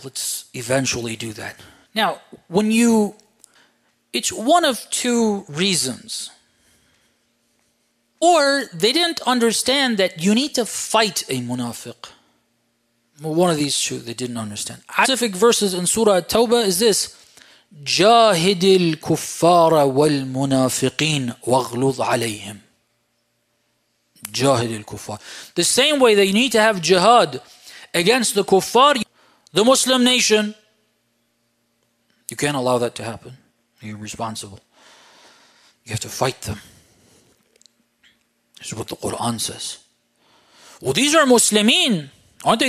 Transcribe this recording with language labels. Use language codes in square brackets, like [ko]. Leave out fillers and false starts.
[en] Let's eventually do that. Now, when you, it's one of two reasons. Or they didn't understand that you need to fight a munafiq. One of these two, they didn't understand. Specific verses in Surah At-Tawbah is this. [ar] جاهد الكفار والمنافقين واغلظ عليهم. جاهد الكفار. [en] The same way that you need to have jihad against the kuffar, the Muslim nation, you can't allow that to happen. You're responsible. You have to fight them. This is what the Quran says. Well, these are Muslimin, aren't they?